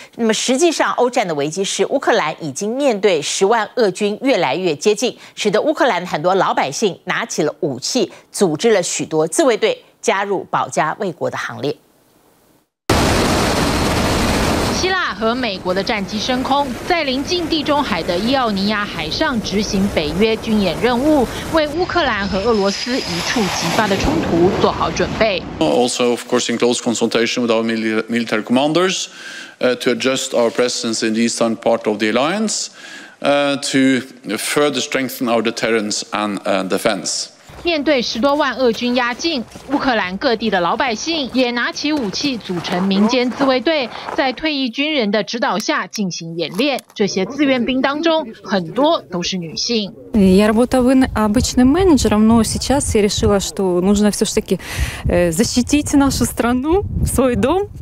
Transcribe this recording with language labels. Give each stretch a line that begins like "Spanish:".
Chinese: 那么实际上，欧战的危机是乌克兰已经面对10万俄军越来越接近，使得乌克兰很多老百姓拿起了武器，组织了许多自卫队加入保家卫国的行列。希腊和美国的战机升空，在临近地中海的伊奥尼亚海上执行北约军演任务，为乌克兰和俄罗斯一触即发的冲突做好准备。
English: Also, of course, in close consultation with our military commanders, to adjust our presence in the eastern part of the alliance, to further strengthen our deterrence and defense.
Chinese: 面对10多万俄军压境，乌克兰各地的老百姓也拿起武器组成民间自卫队，在退役军人的指导下进行演练。这些自愿兵当中，很多都是女性。
Russian: Я работала обычным менеджером, но сейчас я решила, что нужно все-таки защитить нашу страну, свой дом.